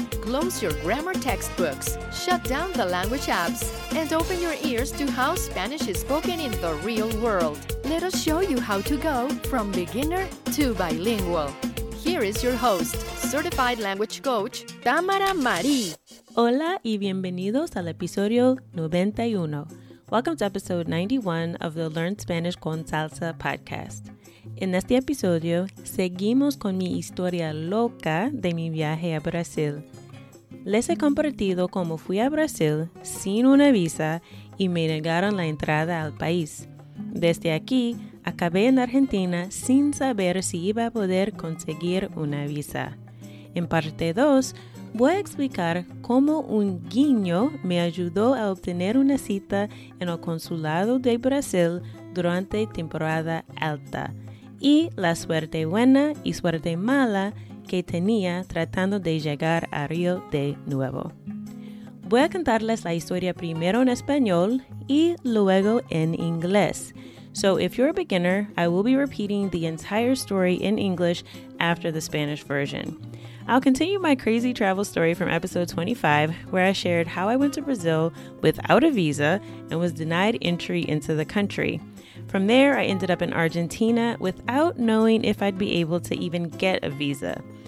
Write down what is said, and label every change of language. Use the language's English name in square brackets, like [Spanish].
[English] Close your grammar textbooks, shut down the language apps, and open your ears to how Spanish is spoken in the real world. Let us show you how to go from beginner to bilingual. Here is your host, certified language coach, Tamara Marie. [Spanish] Hola y bienvenidos al episodio 91. [English] Welcome to episode 91 of the Learn Spanish con Salsa podcast. [Spanish] En este episodio, seguimos con mi historia loca de mi viaje a Brasil. Les he compartido cómo fui a Brasil sin una visa y me negaron la entrada al país. Desde aquí, acabé en Argentina sin saber si iba a poder conseguir una visa. En parte 2, voy a explicar cómo un guiño me ayudó a obtener una cita en el consulado de Brasil durante temporada alta y la suerte buena y suerte mala que tenía tratando de llegar a Río de nuevo. Voy a contarles la historia primero en español y luego en inglés. [English] So if you're a beginner, I will be repeating the entire story in English after the Spanish version. I'll continue my crazy travel story from episode 25, where I shared how I went to Brazil without a visa and was denied entry into the country. From there, I ended up in Argentina without knowing if I'd be able to even get a visa.